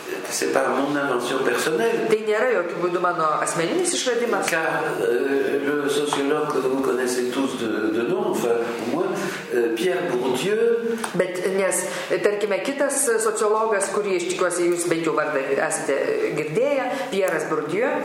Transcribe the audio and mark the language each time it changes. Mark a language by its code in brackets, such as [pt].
[fr] C'est pas mon invention personnelle. [lt] Tai nėra jokių būdų mano asmeninis išradimas. [fr] Car le sociologue que vous connaissez tous de nom, enfin, moi, Pierre Bourdieu. [lt] Bet nes, tarkime, kitas sociologas, kurį iš tikiuosi jūs bent jau vardą esate girdėję, Pierre Bourdieu.